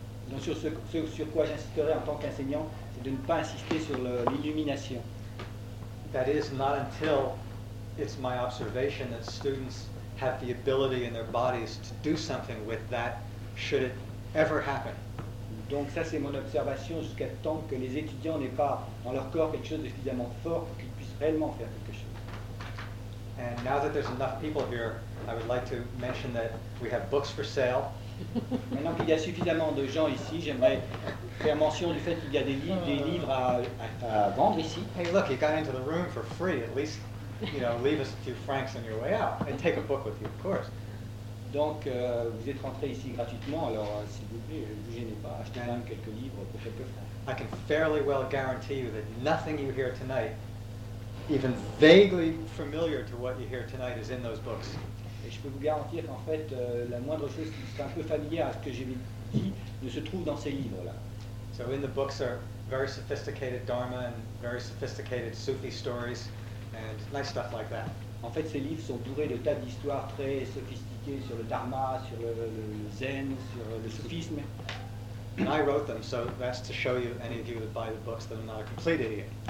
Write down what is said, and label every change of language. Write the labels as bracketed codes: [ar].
[fr] Donc sur quoi j'insisterai en tant qu'enseignant, c'est de ne pas insister sur l'illumination. [en] That is not until it's my observation that students have the ability in their bodies to do something with that, should it ever happen. [fr] Donc ça c'est mon observation jusqu'à temps que les étudiants n'aient pas dans leur corps quelque chose de suffisamment fort pour qu'ils puissent réellement faire quelque chose. [en] And now that there's enough people here, I would like to mention that we have books for sale. [fr] Maintenant qu'il y a suffisamment de gens ici, j'aimerais faire mention du fait qu'il y a des livres à vendre ici. [en] Hey, look, you got into the room for free. At least, you know, leave us a few francs on your way out and take a book with you, of course. [fr] Donc, vous êtes rentré ici gratuitement, alors s'il vous plaît, ne vous gênez pas, achetez même quelques livres pour quelques francs. [en] I can fairly well guarantee you that nothing you hear tonight, even vaguely familiar to what you hear tonight, is in those books. [fr] Et je peux vous garantir qu'en fait, la moindre chose qui est un peu familière à ce que j'ai dit ne se trouve dans ces livres-là. [en] So in the books are very sophisticated dharma and very sophisticated Sufi stories and nice stuff like that. [fr] En fait, ces livres sont bourrés de tas d'histoires très sophistiquées sur le dharma, sur le zen, sur le soufisme. [en] And I wrote them, so that's to show you, any of you that buy the books, that I'm not a complete idiot.